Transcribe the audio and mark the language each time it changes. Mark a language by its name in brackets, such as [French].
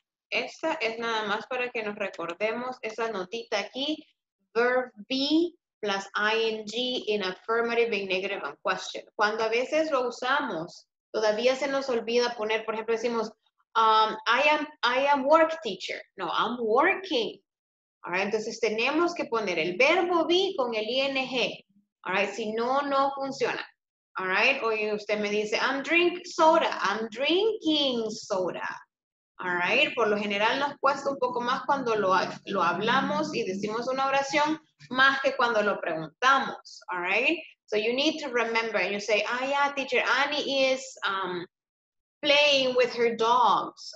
[Spanish] Esta es nada más para que nos recordemos esa notita aquí. [English] Verb be plus ing in affirmative and negative and question. [Spanish] Cuando a veces lo usamos, todavía se nos olvida poner, por ejemplo, decimos, [English] I am work teacher. No, I'm working. [Spanish] All right, entonces tenemos que poner el verbo be con el ing. [English] All right, [Spanish] si no, no funciona. [English] All right, [Spanish] o usted me dice, [English] I'm drinking soda. All right. [Spanish] Por lo general nos cuesta un poco más cuando lo hablamos y decimos una oración más que cuando lo preguntamos. [English] All right. So you need to remember and you say, ah, yeah, teacher, Annie is playing with her dogs.